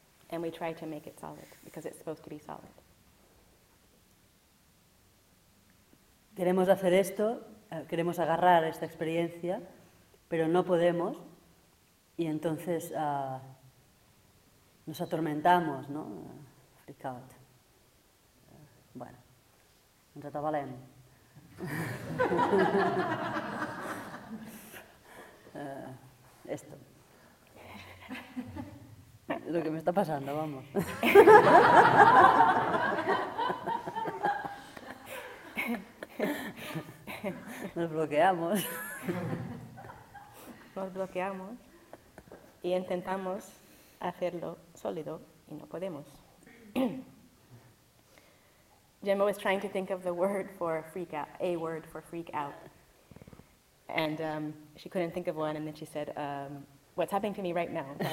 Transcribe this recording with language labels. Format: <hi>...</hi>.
<en>And we try to make it solid, because it's supposed to be solid.</en> <es>Queremos hacer esto, queremos agarrar esta experiencia, pero no podemos, y entonces nos atormentamos, ¿no?</es> <en>Freak out.</en> <es>Bueno,</es> <ca>ens atabalem.</ca> <es>esto. Lo que me está pasando, vamos. Nos bloqueamos. Nos bloqueamos y intentamos hacerlo sólido y no podemos.</es> <en>Gemma was trying to think of the word for freak out, a word for freak out. And she couldn't think of one, and then she said, what's happening to me right now?</en>